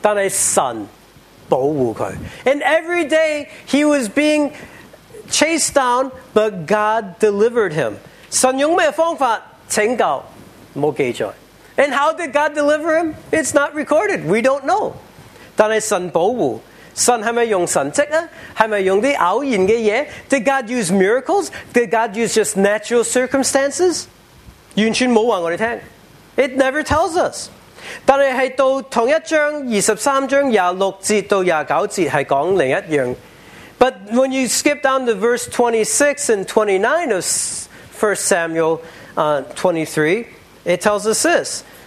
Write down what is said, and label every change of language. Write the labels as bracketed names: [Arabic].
[Chinese] 天天追杀，但是神保护他。 [English] And every day he was being chased down, but God delivered him. [Chinese] 神用什么方法拯救？没记载。 [English] And how did God deliver him? It's not recorded. We don't know. [Chinese] 但是神保护。神是不是用神迹？是不是用偶然的东西？ [English] Did God use miracles? Did God use just natural circumstances? [Chinese] 完全没有告诉我们。 [English] It never tells us. [Chinese] 但是到同一章23章26节到29节是讲另一样。 [English] But when you skip down to verse 26 and 29 of 1 Samuel 23, it tells us this.